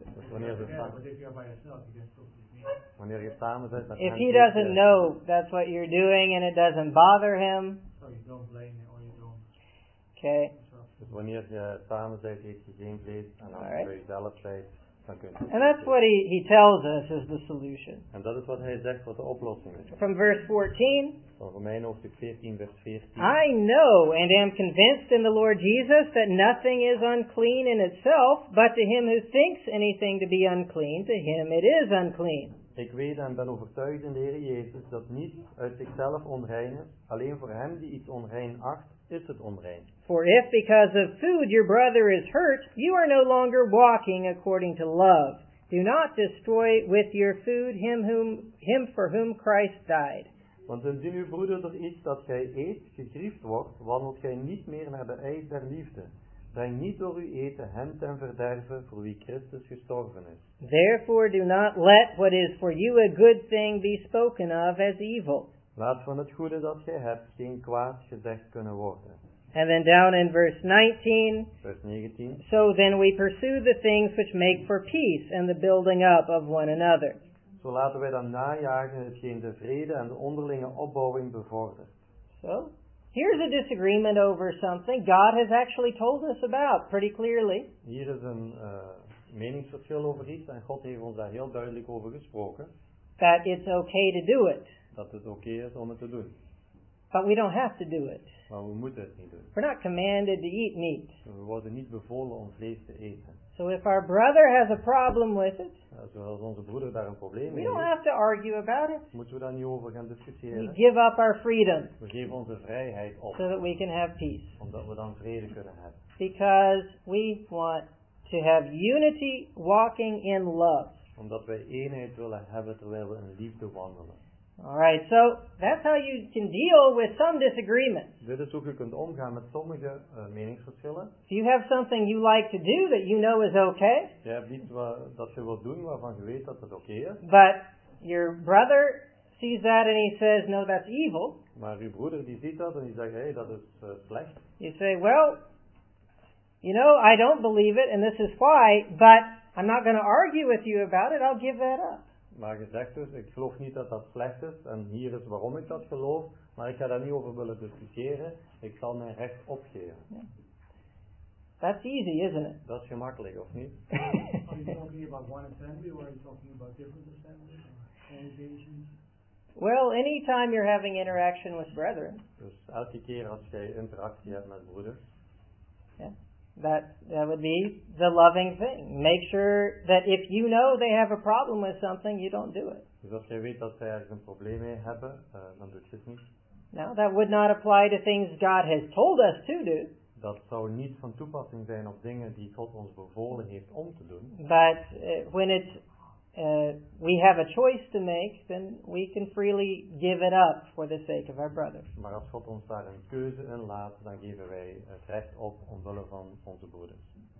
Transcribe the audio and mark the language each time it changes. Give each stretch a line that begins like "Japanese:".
English: When they are together, you don't eat meat. But if you are by yourself, you don't eat meat. If he doesn't know that's what you're doing and it doesn't bother him. So you don't blame him or you don't. Okay.
Dutch: Dus wanneer je samen zegt, eet je geen vlees, dan kun je.
English: And that's what he tells us is the solution.
Dutch: En dat is wat hij zegt wat de oplossing is.
English: From verse 14.
Dutch: Van Romeinen hoofdstuk 14, vers 14.
English: I know and am convinced in the Lord Jesus that nothing is unclean in itself, but to him who thinks anything to be unclean, to him it is unclean.
Dutch: Ik weet en ben overtuigd in de Heer Jezus dat niets uit zichzelf onrein is, alleen voor hem die iets onrein acht, is het onrein.
English: For if because of food your brother is hurt, you are no longer walking according to love. Do not destroy with your food him for whom Christ died.
Dutch: Want indien uw broeder door iets dat gij eet gegriefd wordt, wandelt gij niet meer naar de eis der liefde. Breng niet door uw eten hem ten verderve voor wie Christus gestorven is.
English: Therefore do not let what is for you a good thing be spoken of as evil.
Dutch: Laat van het goede dat gij hebt geen kwaad gezegd kunnen worden.
English: And then down in verse 19.
Dutch: Vers 19.
English: So then we pursue the things which make for peace and the building up of one another.
Dutch: Zo laten wij dan najagen hetgeen de vrede en de onderlinge opbouwing bevordert.
English: So, here's a disagreement over something God has actually told us about pretty clearly.
Dutch: Hier is een meningsverschil over iets en God heeft ons daar heel duidelijk over gesproken.
English: That it's okay to do it.
Dutch: Dat het oké is om het te doen.
English: But we don't have to do it.
Dutch: Maar we moeten het niet doen.
English: We're not commanded to eat meat.
Dutch: We worden niet bevolen om vlees te eten.
English: So if our brother has a problem with it,
Dutch: zoals onze broeder daar een probleem mee heeft,
English: we don't have to argue about it.
Dutch: Moeten we daar niet over gaan discussiëren?
English: We give up our freedom.
Dutch: We geven onze vrijheid op.
English: So that we can have peace.
Dutch: Omdat we dan vrede kunnen hebben.
English: Because we want to have unity walking in love.
Dutch: Omdat wij eenheid willen hebben terwijl we in liefde wandelen.
English: All right, so that's how you can deal with some disagreement.
Dutch: Dit is hoe je kunt omgaan met sommige meningsverschillen.
English: If you have something you like to do that you know is okay.
Dutch: Je hebt iets dat je wilt doen waarvan je weet dat het oké is.
English: But your brother sees that and he says, no, that's evil.
Dutch: Maar je broeder die ziet dat en die zegt, hey, dat is slecht.
English: You say, well, you know, I don't believe it and this is why, but I'm not going to argue with you about it. I'll give that up.
Dutch: Maar gezegd dus, ik geloof niet dat dat slecht is. En hier is waarom ik dat geloof. Maar ik ga daar niet over willen discussiëren. Ik zal mijn recht opgeven.
English: Yeah. That's easy, isn't it?
Dutch: Dat is gemakkelijk, of niet?
English: Are you talking about one assembly or are you talking about different assemblies or congregations? Well, any time you're having interaction with brethren.
Dutch: Dus elke keer als jij interactie hebt met broeders.
English: Yeah. That would be the loving thing. Make sure that if you know they have a problem with something, you don't do it.
Dutch: Dus als jij weet dat zij ergens een probleem mee hebben, dan doe je het niet.
English: Now, that would not apply to things God has told us to do.
Dutch: Dat zou niet van toepassing zijn op dingen die God ons bevolen heeft om te doen.
English: But when it's, we have a choice to make, then we can freely give it up for the sake of our brother.
Dutch: Maar als God ons daar een keuze in laat, dan geven wij het recht op omwille van onze broeders.